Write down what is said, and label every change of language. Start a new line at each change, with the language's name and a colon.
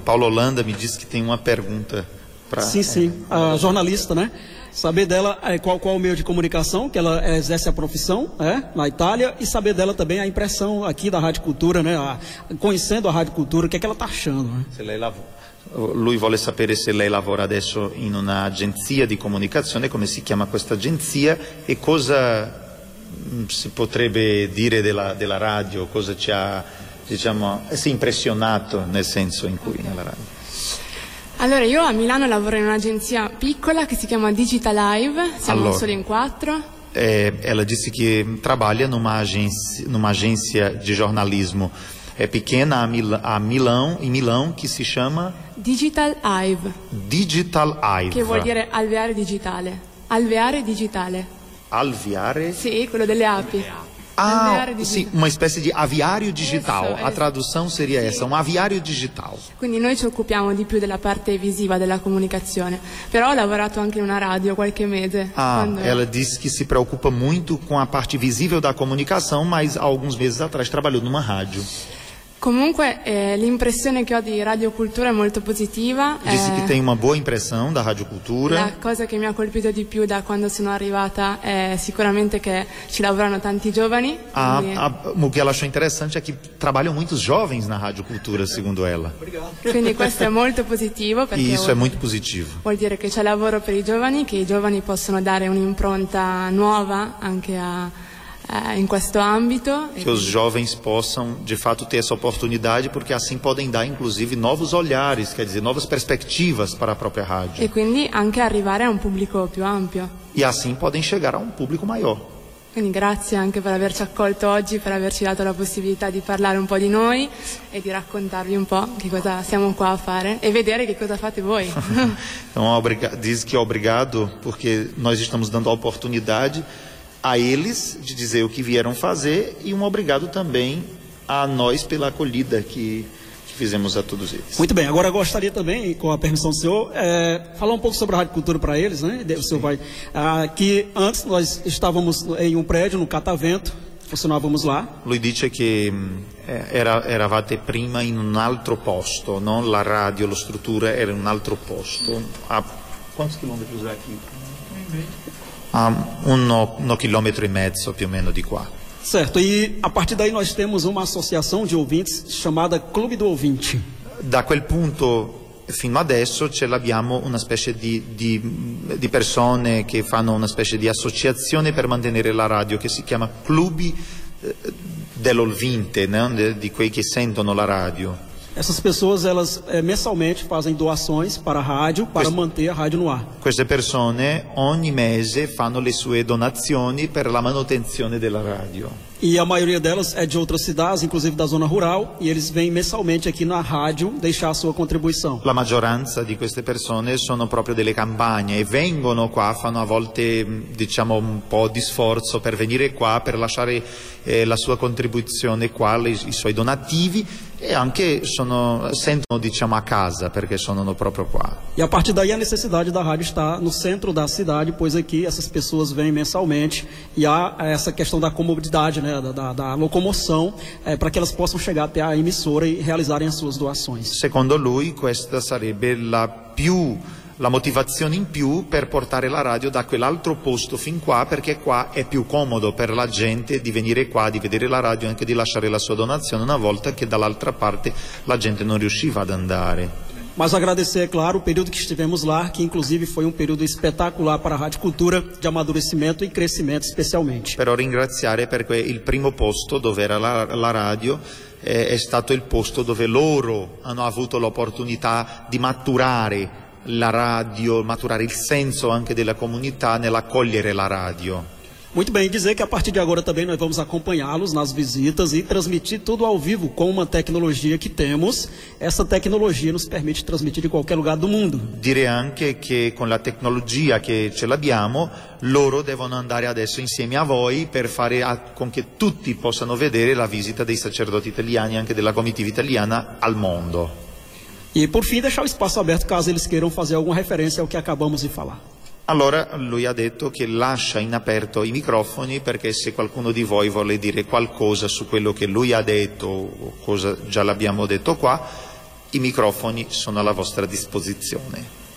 Portuguese: Paulo Holanda me disse que tem uma pergunta para... Sim, sim, a jornalista, né? Saber dela qual o meio de comunicação, que ela exerce a profissão na Itália, e saber dela também a impressão aqui da Rádio Cultura, né? Conhecendo a Rádio Cultura, o que é que ela está achando, né?
Italian: Se lei lavora. Lui vuole sapere se lei lavora adesso in un'agenzia di comunicazione, come si chiama questa agenzia e cosa si potrebbe dire della radio, cosa ci ha, diciamo, si è impressionato nel senso in cui nella radio. Allora, io a Milano lavoro in un'agenzia piccola che si chiama Digital Live, siamo allora, solo in quattro.
Portuguese: Ela disse che trabalha numa agência
Italian: di giornalismo.
Portuguese: É pequena a Milão, que se chama? Digital Hive. Digital Hive.
Italian: Que vuol dire alveare digitale. Alveare digitale. Alveare? Sì, quello delle api.
Portuguese: Ah, sì, uma espécie de aviário digital. Isso, a tradução seria essa, um aviário digital.
Italian: Quindi noi ci occupiamo di più della parte visiva della comunicazione. Però ho lavorato anche in una radio qualche mese.
Portuguese: Ah, ela disse que se preocupa muito com a parte visível da comunicação, mas alguns meses atrás trabalhou numa rádio.
Italian: Comunque, l'impressione che ho di Radio Cultura è molto positiva.
Portuguese: Disse che tem uma boa impressão da Radio Cultura.
Italian: La cosa che mi ha colpito di più da quando sono arrivata è sicuramente che ci lavorano tanti giovani.
Portuguese: O che ela achou interessante è che trabalham muitos jovens na Radio Cultura, secondo ela. Obrigado.
Italian: Quindi questo è molto positivo.
Portuguese: E isso
Italian: è molto positivo. Vuol dire che c'è lavoro per i giovani possono dare un'impronta nuova anche a...
Portuguese: em questo âmbito. Que os jovens possam, de fato, ter essa oportunidade, porque assim podem dar, inclusive, novos olhares, quer dizer, novas perspectivas para a própria rádio.
Italian: E, quindi, anche arrivare a
Portuguese: um público
Italian: più ampio.
Portuguese: E assim podem chegar a um público maior.
Italian: Quindi, grazie anche per averci accolto oggi, per averci dato la possibilità di parlare un po' di noi e di raccontarvi un po' che cosa siamo qua a fare e vedere che cosa fate voi.
Portuguese: Então, diz que obrigado, porque nós estamos dando a oportunidade a eles de dizer o que vieram fazer e um obrigado também a nós pela acolhida que fizemos a todos eles. Muito bem, agora gostaria também, com a permissão do senhor, falar um pouco sobre a Rádio Cultura para eles, né? O senhor vai. Que antes nós estávamos em um prédio, no Catavento, funcionávamos lá.
Italian: Lui dice que eravate prima in un altro posto, não? La radio, la struttura era in un altro posto.
Portuguese: A quantos quilômetros é aqui?
Italian: No quilômetro e mezzo, più o menos, de qua.
Portuguese: Certo, e a partir daí nós temos uma associação de ouvintes chamada Clube do Ouvinte.
Italian: Da quel punto fino adesso ce l'abbiamo una specie di persone che fanno una specie di associazione per mantenere la radio che si chiama Clube dell'Ouvinte, né? Di quei che sentono la radio.
Portuguese: Essas pessoas, elas mensalmente fazem doações para a rádio, para manter a rádio no ar.
Italian: Queste persone ogni mese fanno le sue donazioni per la manutenzione della radio.
Portuguese: E a maioria delas é de outras cidades, inclusive da zona rural, e eles vêm mensalmente aqui na rádio deixar a sua contribuição.
Italian: La maggioranza di queste persone sono proprio delle campagne e vengono qua, fanno a volte, diciamo, un po' di sforzo per venire qua, per lasciare la sua contribuzione qua, i suoi donativi, e anche sentono, diciamo, a casa, perché sono proprio qua.
Portuguese: E a partir daí a necessidade da rádio está no centro da cidade, pois aqui essas pessoas vêm mensalmente, e há essa questão da comodidade, né, da locomoção, para que elas possam chegar até a emissora e realizarem as suas doações.
Italian: Secondo lui, questa sarebbe la motivazione in più per portare la radio da quell'altro posto fin qua, perché qua è più comodo per la gente di venire qua, di vedere la radio, anche di lasciare la sua donazione, una volta che dall'altra parte la gente non riusciva ad andare. Ma agradecer, è claro, il periodo che
Portuguese: estivemos lá,
Italian: che inclusive foi un periodo spettacolare per la Rádio Cultura, di
Portuguese: amadurecimento e crescimento
Italian: specialmente. Però ringraziare perché il primo posto dove era la radio è stato il posto dove loro hanno avuto l'opportunità di maturare la radio, maturare il senso anche della comunità nell'accogliere la radio.
Portuguese: Muito bem, dizer que a partir de agora também nós vamos acompanhá-los nas visitas e transmitir tudo ao vivo com uma tecnologia que temos. Essa tecnologia nos permite transmitir de qualquer lugar do mundo.
Italian: Direi anche che con la tecnologia che ce l'abbiamo, loro devono andare adesso insieme a voi per fare con che tutti possano vedere la visita dei sacerdoti italiani, anche della comitiva italiana, al mondo.
Portuguese: E por fim, deixar o espaço aberto caso eles queiram fazer alguma referência ao que acabamos de falar.
Italian: Allora, lui ha detto che lascia in aperto i microfoni, perché se qualcuno di voi vuole dire qualcosa su quello che lui ha detto, cosa già l'abbiamo detto qua, i microfoni sono alla vostra disposizione.